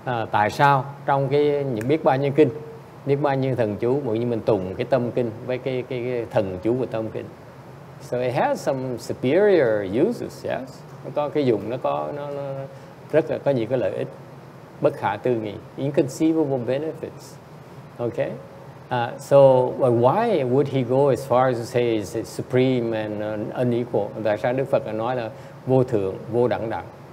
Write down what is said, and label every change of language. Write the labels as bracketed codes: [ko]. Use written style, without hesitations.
[vi] Tại sao trong cái biết bao nhiêu kinh, biết bao nhiêu thần chú, mỗi như mình tụng cái tâm kinh với cái thần chú của tâm kinh? [en] So it has some superior uses, yes. [vi] Nó có cái dùng, nó rất là có nhiều cái lợi ích bất khả tư nghị, [en] inconceivable benefits. Okay. But why would he go as far as to say it's supreme and unequal? [vi] Tại sao Đức Phật nói là vô thượng, vô đẳng đẳng?